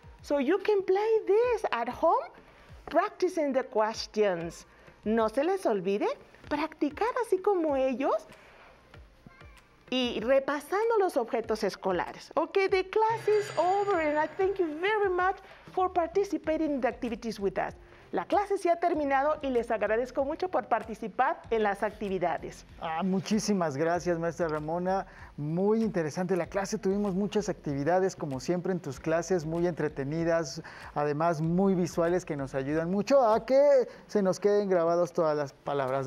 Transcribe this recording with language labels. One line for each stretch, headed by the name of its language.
English: So you can play this at home, practicing the questions.
Spanish: No se les olvide practicar así como ellos y repasando los objetos escolares.
English: Ok, the class is over and I thank you very much for participating in the activities with us.
Spanish: La clase se ha terminado y les agradezco mucho por participar en las actividades. Ah, muchísimas gracias, maestra Ramona. Muy interesante la clase. Tuvimos muchas actividades, como siempre en tus clases, muy entretenidas, además muy visuales que nos ayudan mucho a que se nos queden grabadas todas las palabras.